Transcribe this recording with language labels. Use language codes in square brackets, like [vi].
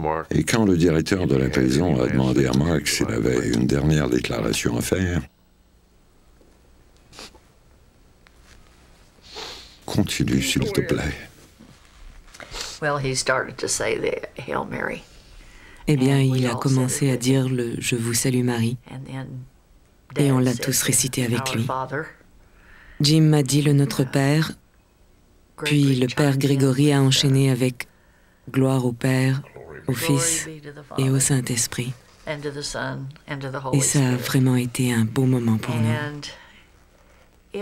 [fr] Et quand le directeur de la prison a demandé à Mark s'il avait une dernière déclaration à faire, continue, s'il te plaît. [en] Well, he started to say the Hail Mary. [fr] Eh bien, il a commencé à dire le « Je vous salue, Marie ». Et on l'a tous récité avec lui. Jim m'a dit le « Notre Père », puis le Père Grégory a enchaîné avec « Gloire au Père, au Fils et au Saint-Esprit. » Et ça a vraiment été un beau moment pour nous.